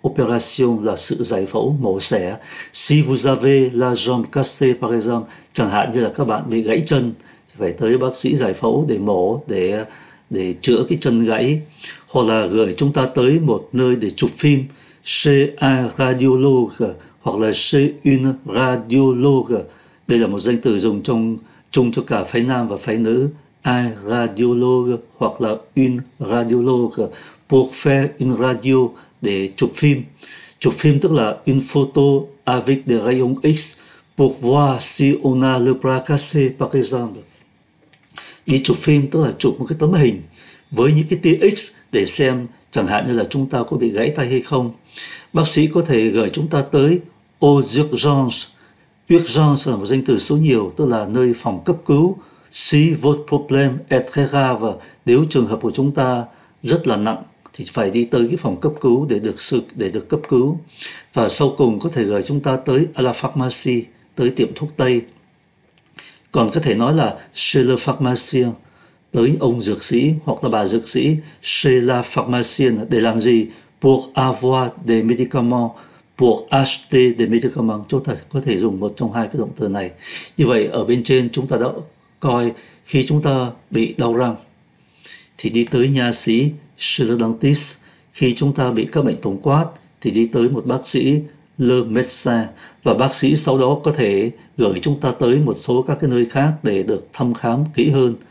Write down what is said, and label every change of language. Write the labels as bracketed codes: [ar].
[vi] Opération là sự giải phẫu, mổ xẻ. [fr] Si vous avez la jambe cassée par exemple, [vi] chẳng hạn như là các bạn bị gãy chân, phải tới bác sĩ giải phẫu để mổ, để chữa cái chân gãy. Hoặc là gửi chúng ta tới một nơi để chụp phim, [fr] chez un radiologue, [vi] hoặc là [fr] chez une radiologue. [vi] Đây là một danh từ dùng chung cho cả phái nam và phái nữ. [fr] Un radiologue hoặc là une radiologue, pour faire une radio, [vi] để chụp phim. Chụp phim tức là [fr] une photo avec des rayons X, pour voir si on a le bras cassé par exemple. [vi] Đi chụp phim tức là chụp một cái tấm hình với những cái tia X để xem chẳng hạn như là chúng ta có bị gãy tay hay không. Bác sĩ có thể gửi chúng ta tới aux urgences. Urgence là một danh từ số nhiều, tức là nơi phòng cấp cứu. [fr] Si votre problème est très grave, [vi] nếu trường hợp của chúng ta rất là nặng thì phải đi tới cái phòng cấp cứu để được cấp cứu. Và sau cùng có thể gửi chúng ta tới à la pharmacie, tới tiệm thuốc tây. Còn có thể nói là chez le pharmacien, tới ông dược sĩ hoặc là bà dược sĩ. [fr] Chez la pharmacienne, [vi] để làm gì? [fr] Pour avoir des médicaments, pour acheter des médicaments. [vi] Chúng ta có thể dùng một trong hai cái động từ này. Như vậy ở bên trên chúng ta đã coi khi chúng ta bị đau răng thì đi tới nha sĩ, chez le dentiste. Khi chúng ta bị các bệnh tổng quát thì đi tới một bác sĩ, le médecin. Và bác sĩ sau đó có thể gửi chúng ta tới một số các cái nơi khác để được thăm khám kỹ hơn.